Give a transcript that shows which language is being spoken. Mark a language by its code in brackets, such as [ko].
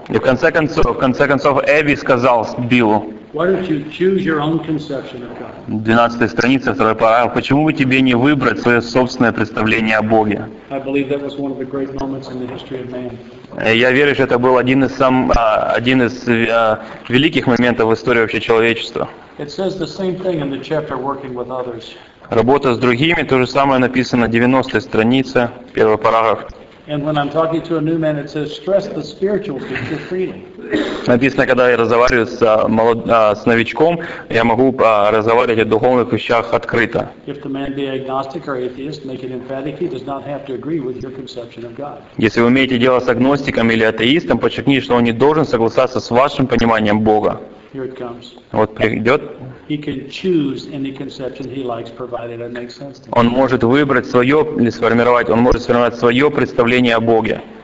[ru] И в конце концов, Эбби сказал Биллу. [en] Why don't you choose your own conception of God? [ru] 12-я страница, 2-й параграф. Почему бы тебе не выбрать свое собственное представление о Боге? [en] I believe that was one of the great moments in the history of man. [ru] Я верю, что это был один из великих моментов в истории вообще человечества. [en] It says the same thing in the chapter Working with Others. [ru] Работа с другими, то же самое написано на 90-й странице, 1-й параграф. [en] And when I'm talking to a new man, it says, stress the spiritual future freely. [ru] Написано, когда я разговариваю с новичком, я могу разговаривать о духовных вещах открыто. [en] If the man be agnostic or atheist, make it emphatic, he does not have to agree with your conception of God. [ru] Если вы имеете дело с агностиком или атеистом, подчеркни, что он не должен согласаться с вашим пониманием Бога. [en] Here it comes. [ru] Вот придет. [en] He can choose any conception he likes, provided it makes sense to him. [ru] Он может выбрать свое или сформировать. Он может сформировать свое представление о Боге.